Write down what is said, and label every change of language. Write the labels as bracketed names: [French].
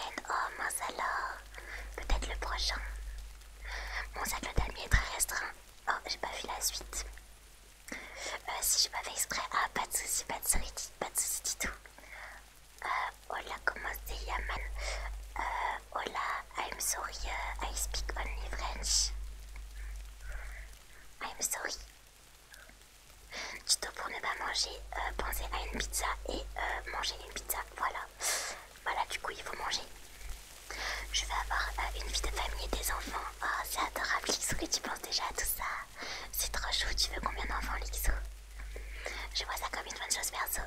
[French] Oh mince alors, peut-être le prochain. Mon cercle d'amis est très restreint. Oh, j'ai pas vu la suite. Si j'ai pas fait exprès. Ah, pas de soucis du tout. Hola, comment c'est Yaman? [English] Hola, I'm sorry, I speak only French. I'm sorry. [French] Tuto pour ne pas manger, pensez à une pizza et manger une pizza. Voilà. Voilà, du coup, il faut manger. Je vais avoir une vie de famille et des enfants. Oh, c'est adorable, Lixou, que tu penses déjà à tout ça. C'est trop chou, tu veux combien d'enfants, Lixou? Je vois ça comme une bonne chose, perso.